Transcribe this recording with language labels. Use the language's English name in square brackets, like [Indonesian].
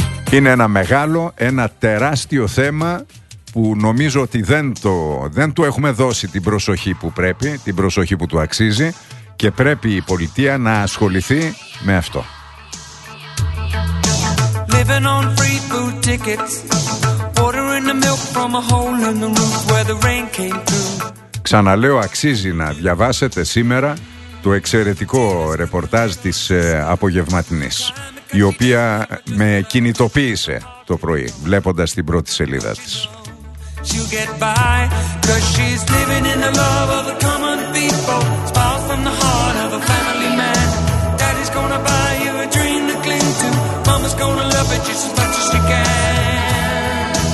[Greek] Είναι ένα μεγάλο, ένα τεράστιο θέμα που νομίζω ότι δεν του έχουμε δώσει την προσοχή που πρέπει, την προσοχή που του αξίζει, και πρέπει η πολιτεία να ασχοληθεί με αυτό. [English] Living on free food tickets, ordering the milk from a hole in the roof where the rain came through. [Greek] Ξαναλέω, αξίζει να διαβάσετε σήμερα το εξαιρετικό ρεπορτάζ της Απογευματινής, η οποία με κινητοποίησε το πρωί βλέποντας την πρώτη σελίδα της. [English] She'll get by, 'cause she's living in the love of the common people. Smile from the heart of a family man. Daddy's gonna buy you a dream to cling to. Mama's gonna love it just as much as she can.